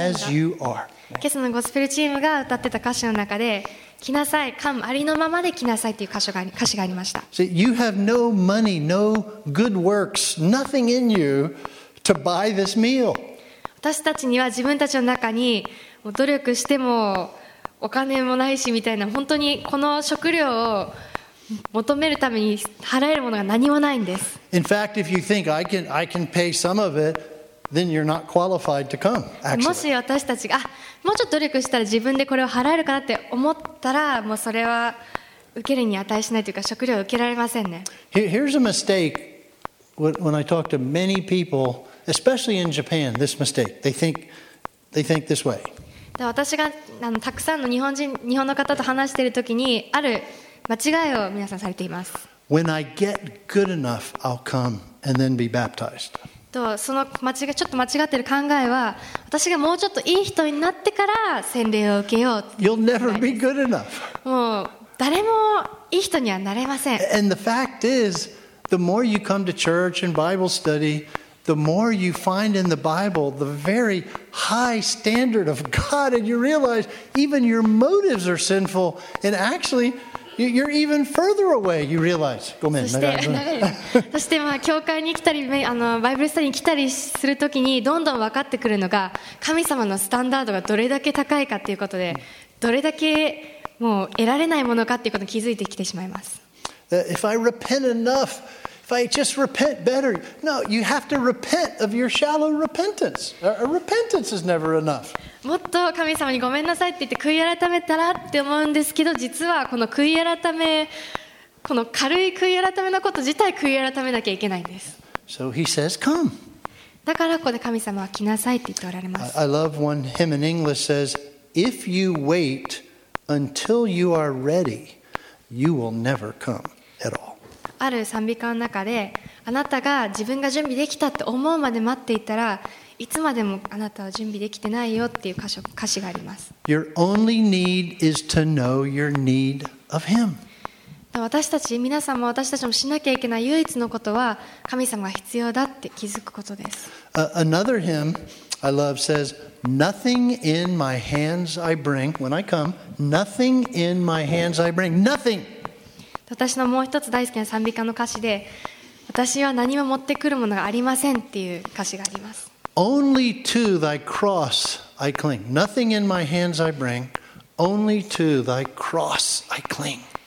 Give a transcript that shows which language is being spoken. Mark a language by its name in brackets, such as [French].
[Japanese] 今朝のゴスペルチームが歌ってた歌詞の中で来なさい、come ありのままで来なさいという歌詞がありました。 [English] See, you have no money, no good works, nothing in you to buy this meal. [Japanese] 私たちには自分たちの中に努力してもお金もないしみたいな本当にこの食料を求めるために払えるものが何もないんです。 [English] In fact, if you think I can pay some of it then you're not qualified to come, actually. もし私たちがもうちょっと努力したら自分でこれを払えるかなって思ったら、もうそれは受けるに値しないというか食料を受けられませんね。 Here's a mistake when I talk to many people, especially in Japan, this mistake. They think this way. [Japanese] 私がたくさんの日本の方と話しているときにある間違いを皆さんされています。 [English] When I get good enough, I'll come and then be baptized. [Japanese] その間違いちょっと間違ってる考えは、私がもうちょっといい人になってから洗礼を受けよう。 [English] You'll never be good enough. [Japanese] もう誰もいい人にはなれません。 [English] And the fact is, the more you come to church and Bible study, the more you find in the Bible the very high standard of God, and you realize even your motives are sinful, and actually. You're even further away, you realize. [Japanese] ごめん、長い。そして、まあ、教会に来たり、バイブルスタディに来たりするときに、どんどん分かってくるのが、神様のスタンダードがどれだけ高いかということで、どれだけもう得られないものかということに気づいてきてしまいます。 [English] If I repent enough, if I just repent better, no, you have to repent of your shallow repentance. A repentance is never enough. [Japanese] もっと神様にごめんなさいって言って悔い改めたらって思うんですけど、実はこの悔い改め、この軽い悔い改めのこと自体悔い改めなきゃいけないんです。 [English] So he says, come. [Japanese] だからここで神様は来なさいって言っておられます。 [English] I love one hymn in English says, if you wait until you are ready, you will never come at all. [Japanese] ある賛美歌の中で、あなたが自分が準備できたって思うまで待っていたら、いつまでもあなたは準備できてないよっていう歌詞があります。 [English] Your only need is to know your need of Him. [Japanese] 私たち皆さんも私たちもしなきゃいけない唯一のことは神様が必要だって気づくことです。 [English] Another hymn I love says, "Nothing in my hands I bring when I come. Nothing in my hands I bring. Nothing." [Japanese] 私のもう一つ大好きな賛美歌の歌詞で、私は何も持ってくるものがありませんっていう歌詞があります。 [English] Only to thy cross I cling. Nothing in my hands I bring. Only to thy cross I cling.